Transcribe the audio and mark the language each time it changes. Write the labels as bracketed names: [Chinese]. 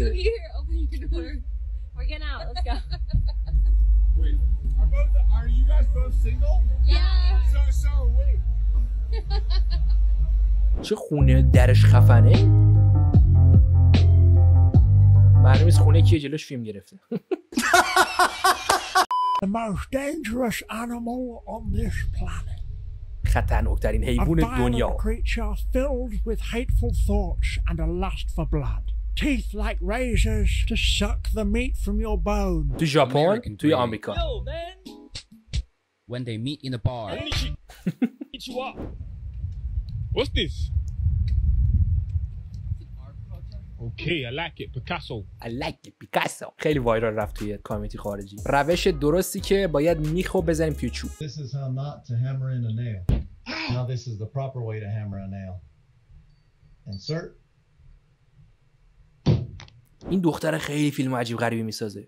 [English] We're going out. Let's go. Wait. Are you guys both single? Yeah. So wait. [Persian] چه خونه درش خفنه؟ معلومه از خونه کیه جلوش فیلم گرفته. [English] The most dangerous animal on this planet. [Persian] خطرناک‌ترین حیوان دنیا. [English] A creature filled with hateful thoughts and a lust for blood. Teeth like razors to suck the meat from your bone. [Persian] تو ژاپن، تو آمریکا. [English] When they meet in a bar. What's this? Okay, I like it, Picasso. I like it, Picasso. [Persian] خیلی وایرال رفت توی کامنت خارجی. روش درستی که باید میخو بزنیم فیوچو. [English] This is how not to hammer in a nail. Now this is the proper way to hammer a nail. Insert. [Persian] این دختر خیلی فیلم عجیب غریبی میسازه.